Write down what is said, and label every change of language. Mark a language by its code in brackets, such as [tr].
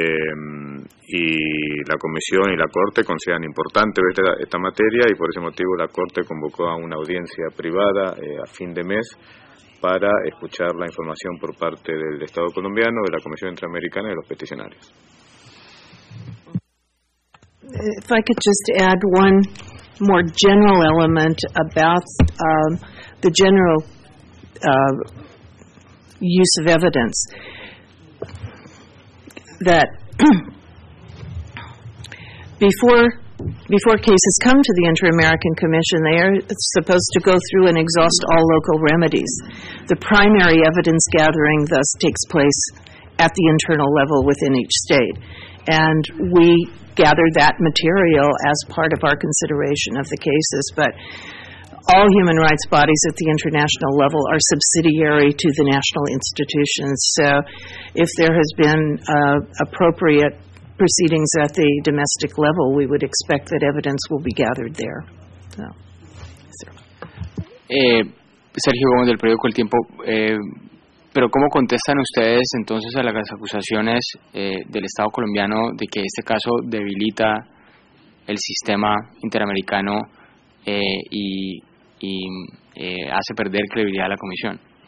[es] Y la Comisión y la Corte consideran importante esta materia, y por ese motivo la Corte convocó a una audiencia privada a fin de mes para escuchar la información por parte del Estado colombiano, de la Comisión Interamericana y de los peticionarios. [en] If I could just add one more general element about the general use of evidence, that before cases come to the Inter-American Commission, they are supposed to go through and exhaust all local remedies. The primary evidence gathering thus takes place at the internal level within each state, and we gather that material as part of our consideration of the cases, but all human rights bodies at the international level are subsidiary to the national institutions. So if there has been appropriate proceedings at the domestic level, we would expect that evidence will be gathered there. So, [es] Sergio Gómez del periódico El Tiempo, pero ¿cómo contestan ustedes entonces a las acusaciones del Estado colombiano de que este caso debilita el sistema interamericano y hace perder credibilidad a la Comisión?